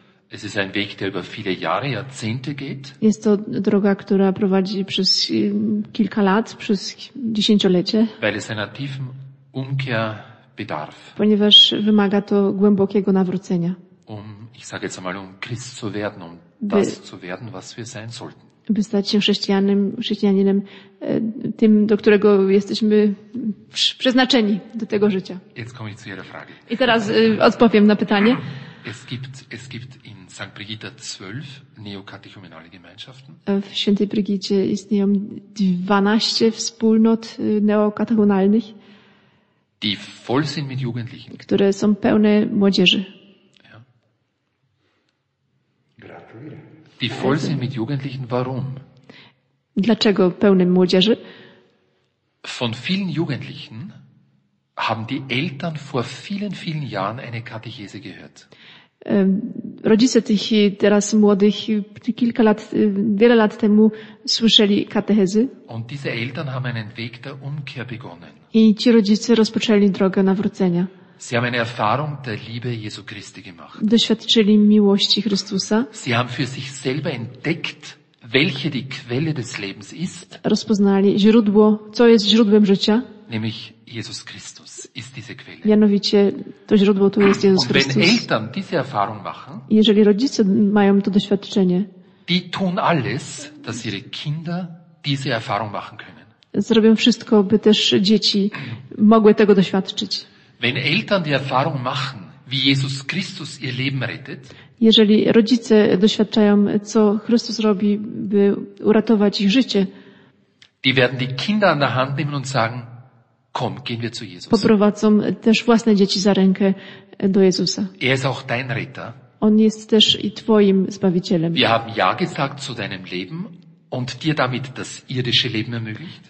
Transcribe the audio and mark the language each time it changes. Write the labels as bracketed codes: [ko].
[de] Es ist ein Weg, der über viele Jahre, Jahrzehnte geht. [pl] Jest to droga, która prowadzi przez kilka lat, przez dziesięciolecie. [de] Weil es einer tiefen Umkehr bedarf. [pl] Ponieważ wymaga to głębokiego nawrócenia. [de] Ich sage jetzt einmal, Christ zu werden, das zu werden, was wir sein sollten. [pl] By stać się chrześcijaninem, tym, do którego jesteśmy przeznaczeni do tego życia. [de] Jetzt komme ich zu Ihrer Frage. [pl] I teraz odpowiem na pytanie. [de] Es gibt in St. Brigitta 12 neokatechumenale Gemeinschaften. [pl] W Świętej Brigicie istnieją 12 wspólnot neokatechumenalnych. [de] Die voll sind mit Jugendlichen. [pl] Które są pełne młodzieży. [de] Ja. Die voll sind mit Jugendlichen, warum? [pl] Dlaczego pełne młodzieży? [de] Von vielen Jugendlichen haben die Eltern vor vielen, vielen Jahren eine Katechese gehört. [pl] Rodzice tych teraz młodych wiele lat temu słyszeli katechezy. [de] Und diese Eltern haben einen Weg der Umkehr begonnen. [pl] I ci rodzice rozpoczęli drogę nawrócenia. [de] Sie haben eine Erfahrung der Liebe Jesu Christi gemacht. [pl] Doświadczyli miłości Chrystusa. [de] Sie haben für sich selber entdeckt, welche die Quelle des Lebens ist. [pl] Rozpoznali źródło, co jest źródłem życia. [de] Nämlich Jesus Christus ist diese Quelle. [pl] Mianowicie to źródło to jest Jezus Chrystus. [de] Und wenn Eltern diese Erfahrung machen, [pl] jeżeli rodzice mają to doświadczenie, [de] die tun alles, dass ihre Kinder diese Erfahrung machen können. [pl] Zrobią wszystko, by też dzieci mogły tego doświadczyć. [de] Wenn Eltern die Erfahrung machen, wie Jesus Christus ihr Leben rettet, [pl] jeżeli rodzice doświadczają, co Chrystus robi, by uratować ich życie, [de] die werden die Kinder an der Hand nehmen und sagen, komm, gehen wir zu Jesus. [pl] Poprowadzą też własne dzieci za rękę do Jezusa. [de] Er ist auch dein Retter. [pl] On jest też i twoim Zbawicielem. [de] Wir haben ja gesagt zu deinem Leben und dir damit das irdische Leben ermöglicht.